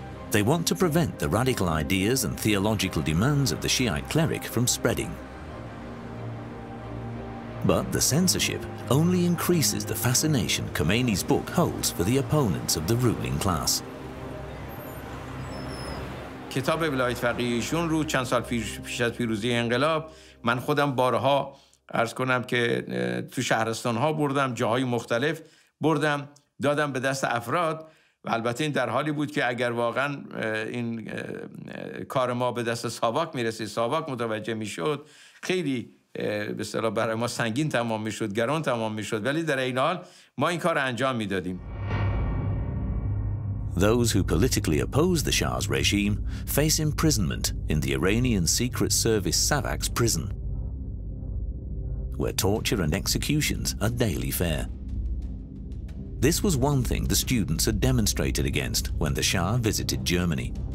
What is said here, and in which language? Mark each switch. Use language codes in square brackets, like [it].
[en] They want to prevent the radical ideas and theological demands of the Shiite cleric from spreading. But the censorship only increases the fascination Khomeini's book holds for the opponents of the ruling class. [fa] کتاب ولایت فقیهشون رو چند سال پیش از پیروزی انقلاب من خودم بارها عرض کنم که تو شهرستان ها بردم جاهای مختلف بردم دادم به دست افراد و البته این در حالی بود که اگر واقعا این کار ما به دست ساواک میرسید ساواک متوجه میشد خیلی به اصطلاح برای ما سنگین تمام میشد، گران تمام میشد، ولی در این حال ما این کار انجام میدادیم. [en] Those who politically oppose the Shah's regime face imprisonment in the Iranian secret service Savak's prison, where torture and executions are daily fare. This was one thing the students had demonstrated against when the Shah visited Germany.